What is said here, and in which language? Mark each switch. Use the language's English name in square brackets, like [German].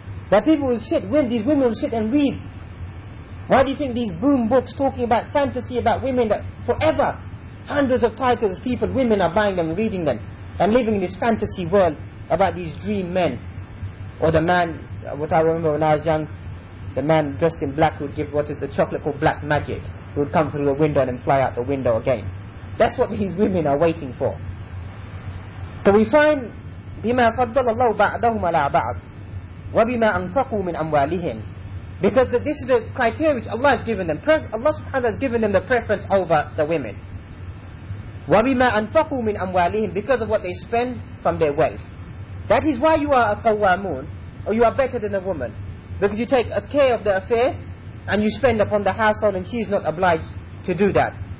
[English] That people will sit, these women will sit and read. Why do you think these boom books talking about fantasy about women, that forever hundreds of titles, people, women are buying them, reading them, and living in this fantasy world about these dream men? Or the man, what I remember when I was young, the man dressed in black who would give, what is the chocolate called, black magic, who would come through the window and then fly out the window again. That's what these women are waiting for. So we find, [Arabic] بِمَا فَضَّلَ اللَّهُ بَعْدَهُمَ عَلَىٰ بَعْضٍ وَبِمَا أَنْفَقُوا مِنْ أَمْوَالِهِمْ. [English] Because this is the criteria which Allah has given them. Allah subhanahu wa ta'ala has given them the preference over the women. [Arabic] وَبِمَا أَنْفَقُوا مِنْ أَمْوَالِهِمْ, [English] because of what they spend from their wealth. That is why you are a qawwamun, or you are better than a woman. Because you take a care of the affairs, and you spend upon the household, and she is not obliged to do that.